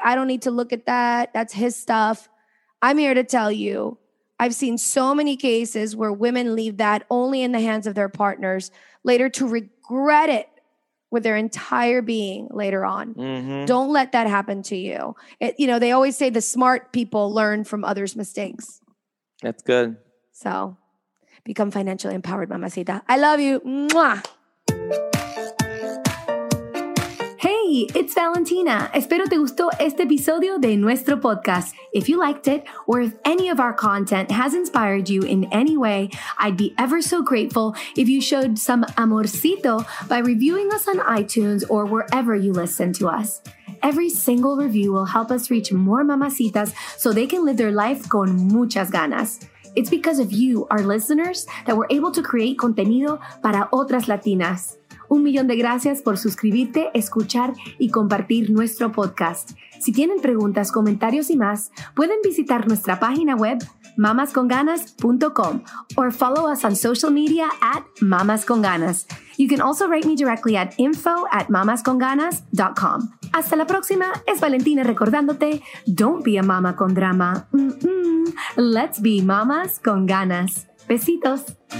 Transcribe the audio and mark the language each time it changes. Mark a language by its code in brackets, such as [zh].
[en] I don't need to look at that. That's his stuff. I'm here to tell you, I've seen so many cases where women leave that only in the hands of their partners later to regret it with their entire being later on. Mm-hmm. Don't let that happen to you. You know, they always say the smart people learn from others' mistakes. That's good. So become financially empowered, mamacita. I love you. Mwah. Hey, it's Valentina. [es] Espero te gustó este episodio de nuestro podcast. [en] If you liked it, or if any of our content has inspired you in any way, I'd be ever so grateful if you showed some amorcito by reviewing us on iTunes or wherever you listen to us. Every single review will help us reach more mamacitas so they can live their life [es] con muchas ganas. [en] It's because of you, our listeners, that we're able to create [es] contenido para otras latinas. Un millón de gracias por suscribirte, escuchar y compartir nuestro podcast. Si tienen preguntas, comentarios y más, pueden visitar nuestra página web, mamasconganas.com, [en] or follow us on social media at mamasconganas. You can also write me directly at info@mamasconganas.com. [es] Hasta la próxima, es Valentina recordándote, [en] don't be a mama [es] con drama. Mm-mm. [en] Let's be mamas con ganas. Besitos.